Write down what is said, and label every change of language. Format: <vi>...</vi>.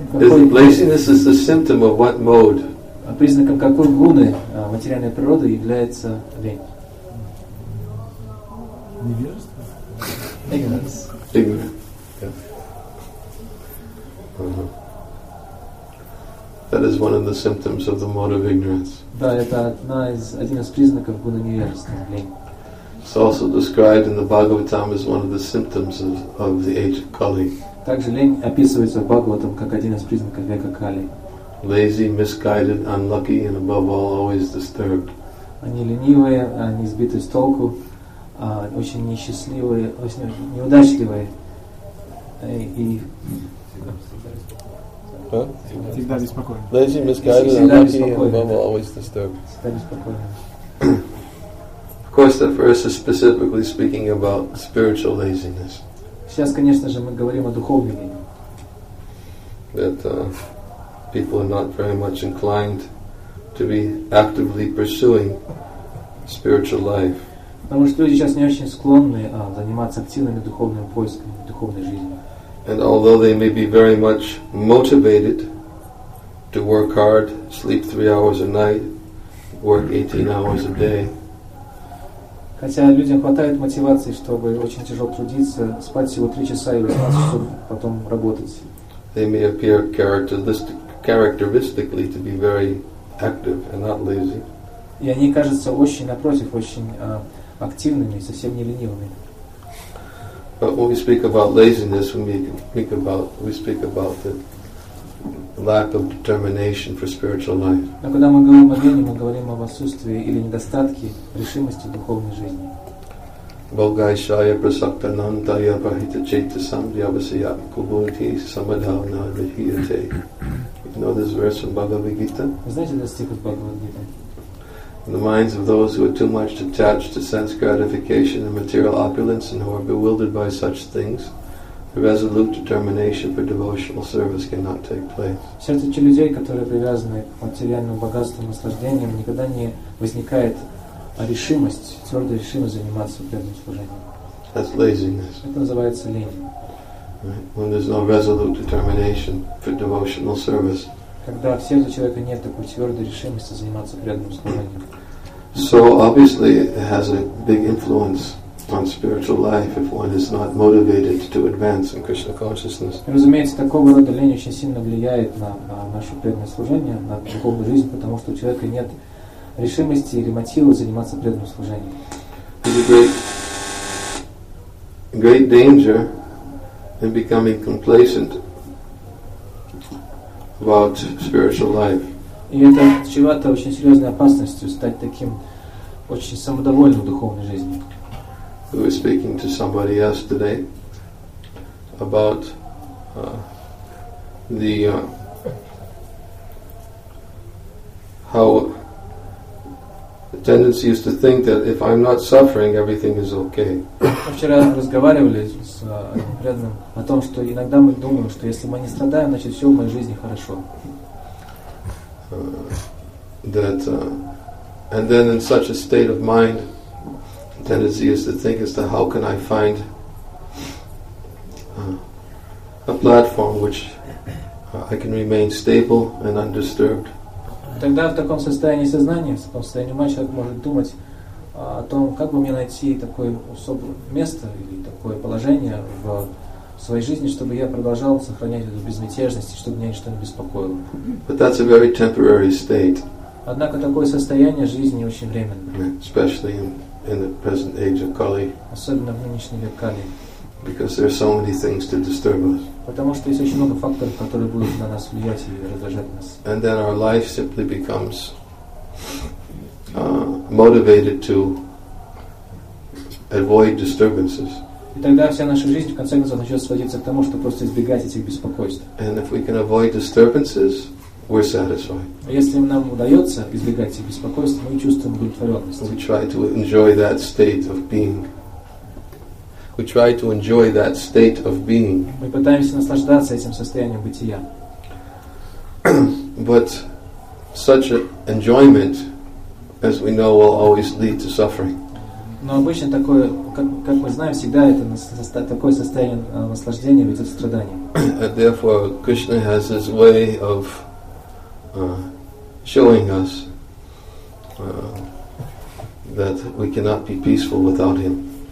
<en>Is laziness is the symptom of what mode?</en> <ru>А признаком какой гуны материальной природы является лень? Невежество?</ru> <en>Ignorance. That is one of the symptoms of the mode of ignorance.</en> <ru>Да, это один из признаков гуны невежества, лень.</ru> <en>It's also described in the Bhagavatam as one of the symptoms of the age of Kali.</en> <ru>Также лень описывается в Бхагаватам как один из признаков века Кали.</ru> <en>Lazy, misguided, unlucky, and above all, always disturbed.</en> <ru>Они ленивые, они сбиты с толку, очень несчастливые, очень неудачливые, и всегда беспокойны.</ru> <en>Lazy, misguided, unlucky, and above all, always disturbed.</en> <ru>Всегда беспокойны.</ru> <en>Of course, that verse is specifically speaking about spiritual laziness.</en> <ru>Сейчас, конечно же, мы говорим о духовной лени.</ru> <en>People are not very much inclined to be actively pursuing spiritual life.</en> <ru>Потому что люди сейчас не очень склонны заниматься активными духовными поисками, духовной жизнью.</ru> <en>And although they may be very much motivated to work hard, sleep 3 hours a night, work 18 hours a day.</en> <ru>Хотя людям хватает мотивации, чтобы очень тяжело трудиться, спать всего 3 часа и 18 часов, потом работать.</ru> <en>They may appear characteristically to be very active and not lazy.</en> <ru>И они кажутся очень, напротив, очень активными, совсем не ленивыми.</ru> <en>But when we speak about laziness, we speak about the lack of determination for spiritual life.</en> <ru>Но когда мы говорим о лени, мы говорим об отсутствии или недостатке решимости духовной жизни.</ru> <sa>Богайшая прасактанантая бхитачетасамдьявасия кубути самадхавна вихиете.</sa> <en>You know this verse from Bhagavad Gita?</en> <ru>Знаете этот стих из Бхагавад Гиты?</ru> <en>In the minds of those who are too much attached to sense gratification and material opulence and who are bewildered by such things, the resolute determination for devotional service cannot take place.</en> <ru>В сердце людей, которые привязаны к материальным богатствам и наслаждениям, никогда не возникает решимость, твердая решимость заниматься преданным служением.</ru> <en>That's laziness.</en> <ru>Это называется лень.</ru> <en>When there's no resolute determination for devotional service.</en> <ru>Когда в сердце человека нет такой твердой решимости заниматься преданным служением.</ru> <en>So obviously it has a big influence on spiritual life if one is not motivated to advance in Krishna consciousness.</en> <ru>Разумеется, такого рода лень очень сильно влияет на наше преданное служение, на духовную жизнь, потому что у человека нет решимости или мотива заниматься преданным служением.</ru> <en>There's a great danger in becoming complacent about spiritual life.</en> <ru>И это чревато очень серьезной опасностью стать таким очень самодовольным в духовной жизни.</ru> <en>We were speaking to somebody yesterday about how the tendency is to think that if I'm not suffering, everything is okay.</en> <ru>Вчера разговаривали с преданным о том, что иногда мы думаем, что если мы не страдаем, значит все в моей жизни хорошо.</ru> <en>And then in such a state of mind, the tendency is to think as to how can I find a platform which I can remain stable and undisturbed.</en> <ru>Тогда в таком состоянии сознания, в таком состоянии ума человек может думать о том, как бы мне найти такое особое место или такое положение в своей жизни, чтобы я продолжал сохранять эту безмятежность, чтобы меня ничто не беспокоило.</ru> <en>But that's a very temporary state.</en> <ru>Однако такое состояние жизни очень временное.</ru> <en>Especially in the present age of Kali.</en> <ru>Особенно в нынешнем век Кали.</ru> <en>Because there are so many things to disturb us.</en> <ru>Потому что есть очень много факторов, которые будут на нас влиять и раздражать нас.</ru> <en>And then our life simply becomes motivated to avoid disturbances.</en> <ru>И тогда вся наша жизнь в конце концов начнет сводиться к тому, чтобы просто избегать этих беспокойств.</ru> <en>And if we can avoid disturbances, we're satisfied.</en> <ru>Если нам удается избегать этих беспокойств, мы чувствуем удовлетворенность.</ru> <en>We try to enjoy that state of being. We try to enjoy that state of being.</en> <ru>Мы пытаемся наслаждаться этим состоянием бытия.</ru> <en>But such enjoyment, as we know, will always lead to suffering.</en> <ru>Но обычно такое, как мы знаем, всегда это такое состояние наслаждения ведет к страданиям.</ru> <en>Therefore, Krishna has his way of showing us that we cannot be peaceful without him.</en>